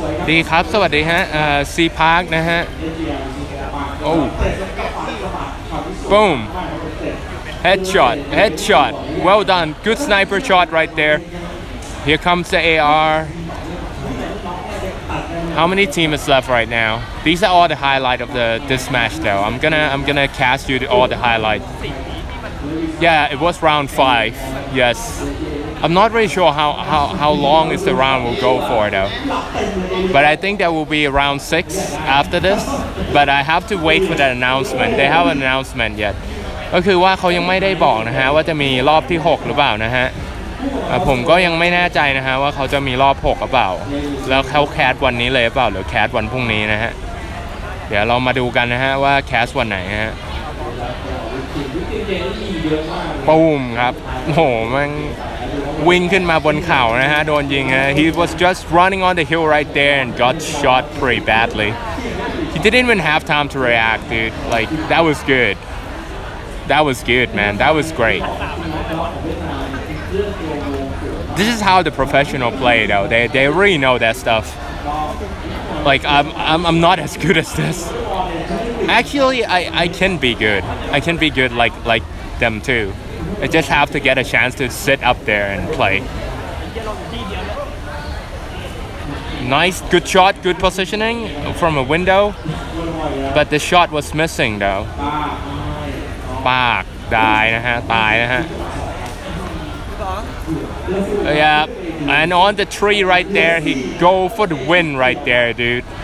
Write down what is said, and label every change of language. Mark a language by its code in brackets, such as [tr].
[th] ดีครับสวัสดีฮะซีพาร์คนะฮะโอ้บูมเฮดช็อตเฮดช็อต [en] well done good sniper shot right there here comes the AR how many team is left right now these are all the highlight of this match though I'm gonna cast you all the highlight yeah it was round 5 yesI'm not really sure how long is the round will go for though. But I think that will be round 6 after this. But I have to wait for that announcement. They haven't announced it yet. [th] ก็คือว่าเขายังไม่ได้บอกนะฮะว่าจะมีรอบที่6หรือเปล่านะฮะผมก็ยังไม่แน่ใจนะฮะว่าเขาจะมีรอบ6หรือเปล่าแล้วเขาแคสวันนี้เลยหรือเปล่าหรือแคสวันพรุ่งนี้นะฮะเดี๋ยวเรามาดูกันนะฮะว่าแคสวันไหนฮะ ปูมครับโหมันวิ่งขึ้นมาบนเขานะฮะโดนยิงฮะ [en] he was just running on the hill right there and got shot pretty badly he didn't even have time to react dude like that was good man that was great this is how the professional play though they really know that stuff like I'm not as good as this actually I can be good I can be good like them tooI just have to get a chance to sit up there and play. Nice, good shot, good positioning from a window. But the shot was missing though. Fuck, die, nah, die, nah. Yeah, and on the tree right there, he go for the win right there, dude.